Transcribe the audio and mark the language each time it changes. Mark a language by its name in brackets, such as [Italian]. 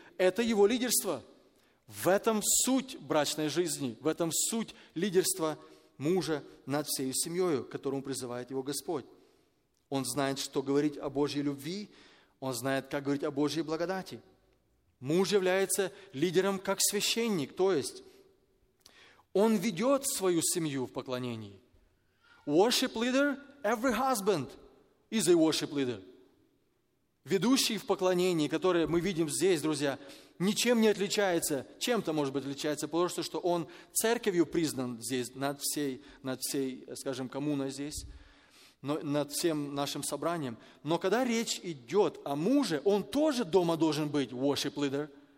[Russian] Это его лидерство. В этом суть брачной жизни, в этом суть лидерства мужа над всей семьей, к которому призывает его Господь. Он знает, что говорить о Божьей любви, он знает, как говорить о Божьей благодати. Муж является лидером как священник, то есть он ведет свою семью в поклонении. [English] Worship leader, every husband is a worship leader. [Russian] Ведущий в поклонении, которое мы видим здесь, друзья, ничем не отличается, чем-то, может быть, отличается, потому что, он церковью признан здесь, над всей, скажем, коммуной здесь, но над всем нашим собранием. Но когда речь идет о муже, он тоже дома должен быть worship leader.